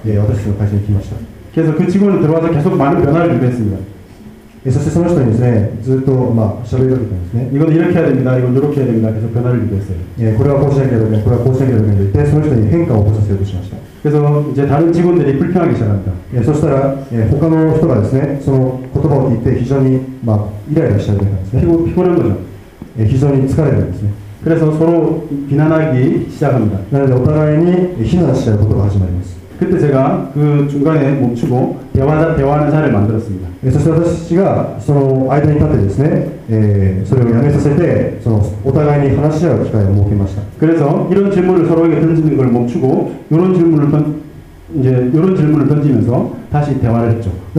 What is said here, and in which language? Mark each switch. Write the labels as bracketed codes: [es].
[ko] 그래서 그 직원이 들어와서 계속 많은 변화를 준비했습니다. [ja] そしてその人にですね、ずっと喋りかけたんですね。 [ko] 이건 이렇게 해야 됩니다. 이건 이렇게 해야 됩니다. 계속 변화를 유도했어요. [ja] 예, これはこうしなければいけない、これはこうしなければいけないと言って、その人に変化を起こさせようとしました。 [ko] 그래서 이제 다른 직원들이 불편하기 시작합니다. [ja] 예, そしたら、他の人がですね、その言葉を聞いて、非常に、イライラしちゃうみたいなんですね。 [ko] 피곤한 거죠. [ja] 예, 非常に疲れるんですね。 [ko] 그래서 서로 비난하기 시작합니다. [ja] なので、お互いに非難し合うことが始まります。 [ko] 그때 제가 그 중간에 멈추고 대화하는 자리를 만들었습니다. [ja] 그래서私がその間に立ってですね、それをやめさせて、お互いに話し合う機会を設けました。 [ko] 그래서 이런 질문을 서로에게 던지는 걸 멈추고 이런 질문을 던지면서 다시 대화를 했죠.